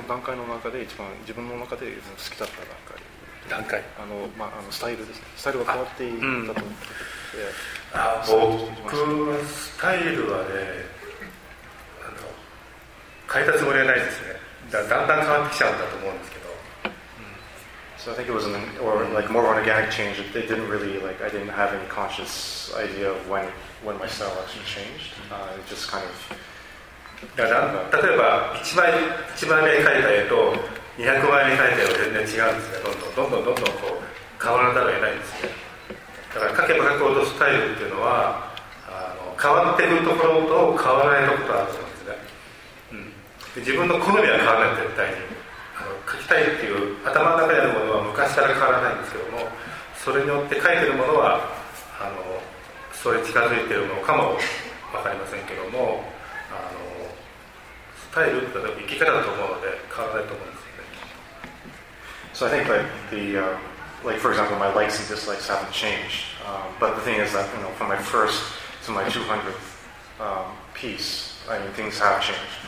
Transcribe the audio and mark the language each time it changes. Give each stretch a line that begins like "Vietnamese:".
Japanese: その段階の中で一番自分の中で好きだった段階。段階スタイルですね。スタイルが変わっていったと思って、うん、僕スタイルはね、変えたつもりはないですね。だんだん変わってきちゃうんだと思うんですけど、
English: So I think it was more of an organic change. It didn't really, like, I didn't have any conscious idea of when my style actually changed. It just kind of
Japanese: 例えば1枚目に描いた絵と200枚に描いたよ全然違うんですね。どんどんこう変わらざるを得ないんですね。だから描けば描くほどスタイルっていうのは変わっていくところと変わらないところがあるんですね、うん、自分の好みは変わらない。絶対に描きたいっていう頭の中にあるものは昔から変わらないんですけども、それによって描いてるものはそれ近づいてるのかも分かりませんけども、スタイルって生き方だと思うので変わらないと思うんです。
English: So I think that for example, my likes and dislikes haven't changed. But the thing is that, from my first to my 200th piece, I mean, things have changed.